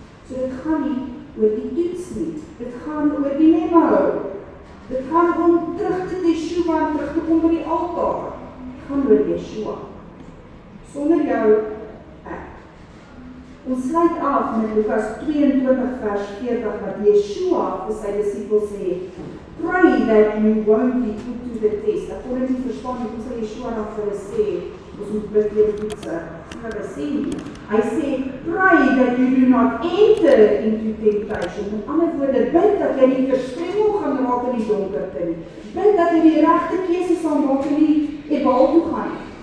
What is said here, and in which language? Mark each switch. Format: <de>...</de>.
<af>So dit gaan nie oor die toets nie, dit gaan oor die memo. Dit gaan om terug te Yeshua en terug te kom by die altaar. Dit gaan oor Yeshua. Sonder jou, ek. Ons sluit af met Lukas 22 vers 40, wat Yeshua vir sy disciples sê,</af> <en>pray that you won't be put to the test.</en> <af>Ek kon nie verstaan, hoe sal Yeshua dan vir hulle sê, ons moet bid weer toetse, sien wat hy sê nie. Hy sê,</af> <en>pray that you do not enter into temptation.</en> <af>Met ander woorde, bid dat jy nie verstrengel gaan raak in die donkerte nie. Bid dat jy die regte keuse sal maak en nie ebal toe gaan.</af>